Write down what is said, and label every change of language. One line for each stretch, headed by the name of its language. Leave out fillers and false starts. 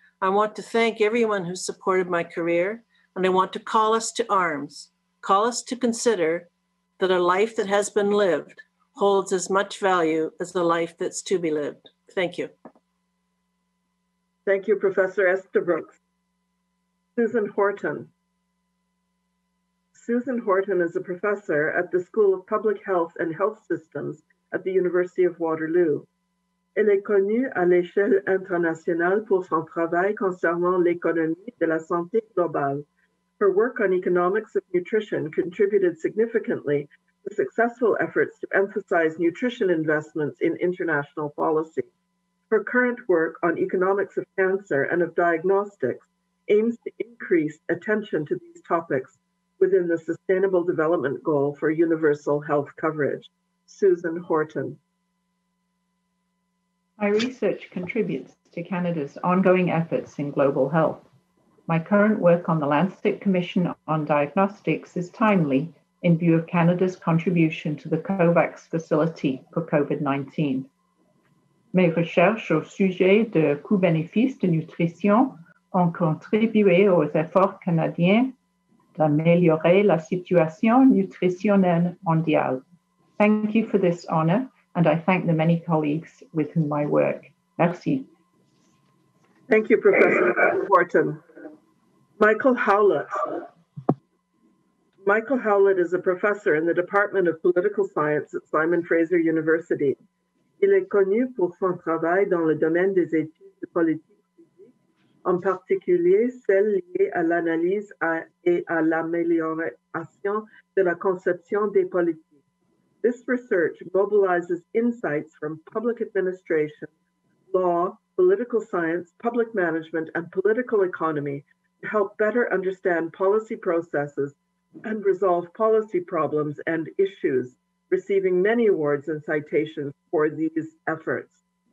English: I want to thank everyone who supported my career, and I want to call us to arms, call us to consider that a life that has been lived holds as much value as the life that's to be lived. Thank you. Thank you, Professor Estabrooks. Susan Horton. Susan Horton is a professor at the School of Public Health and Health Systems at the University of Waterloo.
French: Elle est connue à l'échelle internationale pour son travail concernant l'économie de la santé globale.
English: Her work on economics of nutrition contributed significantly to successful efforts to emphasize nutrition investments in international policy. Her current work on economics of cancer and of diagnostics aims to increase attention to these topics within the Sustainable Development Goal for Universal Health Coverage. Susan Horton. My research contributes to Canada's ongoing efforts in global health. My current work on the Lancet Commission on Diagnostics is timely in view of Canada's contribution to the COVAX facility for COVID-19.
French: Mes recherches au sujet de coûts-bénéfices de nutrition ont contribué aux efforts canadiens d'améliorer la situation nutritionnelle mondiale.
English: Thank you for this honor. And I thank the many colleagues with whom I work.
French: Merci.
English: Thank you, Professor Horton. Michael Howlett. Michael Howlett is a professor in the Department of Political Science at Simon Fraser University.
French: Il est connu pour son travail dans le domaine des études de politique publique, en particulier celles liées à l'analyse et à l'amélioration de la conception des politiques.
English: This research mobilizes insights from public administration, law, political science, public management, and political economy to help better understand policy processes and resolve policy problems and issues, receiving many awards and citations for these efforts.